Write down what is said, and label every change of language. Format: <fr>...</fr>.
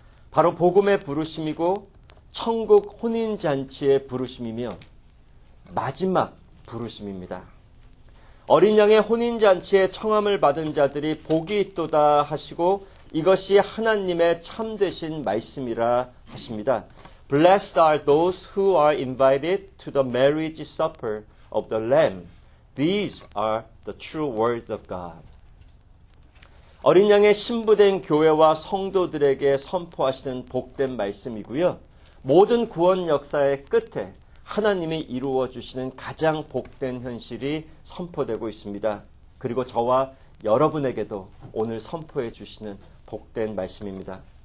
<ko>바로 복음의 부르심이고 천국 혼인잔치의 부르심이며 마지막 부르심입니다. 어린 양의 혼인잔치에 청함을 받은 자들이 복이 있도다 하시고 이것이 하나님의 참되신 말씀이라 하십니다.</ko> <en>Blessed are those who are invited to the marriage supper of the Lamb. These are the true words of God.</en> <ko>어린 양의 신부된 교회와 성도들에게 선포하시는 복된 말씀이고요. 모든 구원 역사의 끝에 하나님이 이루어 주시는 가장 복된 현실이 선포되고 있습니다. 그리고 저와 여러분에게도 오늘 선포해 주시는 복된 말씀입니다.</ko>